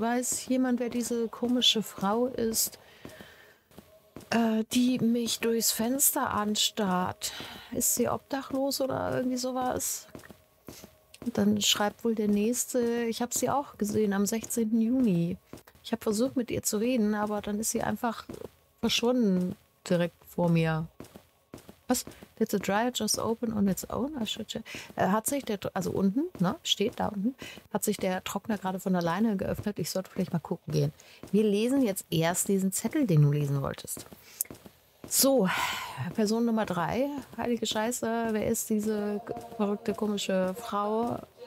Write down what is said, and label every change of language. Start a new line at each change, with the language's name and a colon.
German: Weiß jemand, wer diese komische Frau ist, die mich durchs Fenster anstarrt? Ist sie obdachlos oder irgendwie sowas? Dann schreibt wohl der Nächste, ich habe sie auch gesehen am 16. Juni. Ich habe versucht, mit ihr zu reden, aber dann ist sie einfach verschwunden direkt vor mir. Was?
English: Did the dryer just open on its own?
German: Hat sich der, also unten, ne? Steht da unten, hat sich der Trockner gerade von alleine geöffnet. Ich sollte vielleicht mal gucken gehen. Wir lesen jetzt erst diesen Zettel, den du lesen wolltest. So, Person Nummer 3. Heilige Scheiße, wer ist diese verrückte, komische Frau?